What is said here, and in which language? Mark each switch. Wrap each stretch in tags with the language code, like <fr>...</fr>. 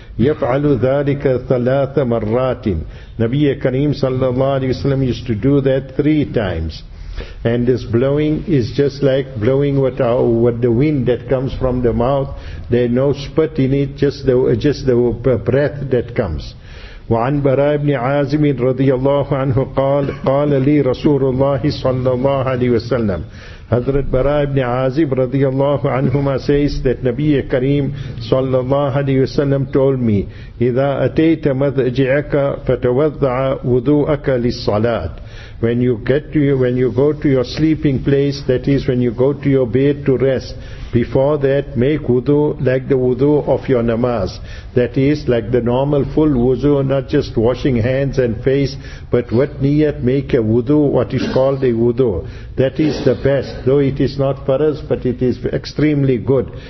<ar>يَفْعَلُ ذَلِكَ ثَلَاثَ مَرَّاتٍ.</ar> <en>Nabi Kareem sallallahu alayhi wasallam used to do that 3 times. And this blowing is just like blowing with the wind that comes from the mouth. There's no spit in it, just the breath that comes.</en> <ar>وعن براء بن عازم رضي الله عنه قال قال لي رسول الله صلى الله عليه وسلم.</ar> <en>Hazrat Bara ibn Azib radiyallahu anhuma says that Nabi Kareem sallallahu alayhi wasallam told me,</en> <ar>إِذَا أَتَيْتَ مَذْجِعَكَ فَتَوَضَّعَ وُضُوءَكَ لِلصَّلَاةِ.</ar> <en>When you go to your sleeping place, that is when you go to your bed to rest, before that make wudu like the wudu of your namaz, that is like the normal full wudu, not just washing hands and face, but what niyat, make a wudu, what is called a wudu, that is the best, though it is not faraz, but it is extremely good.</en>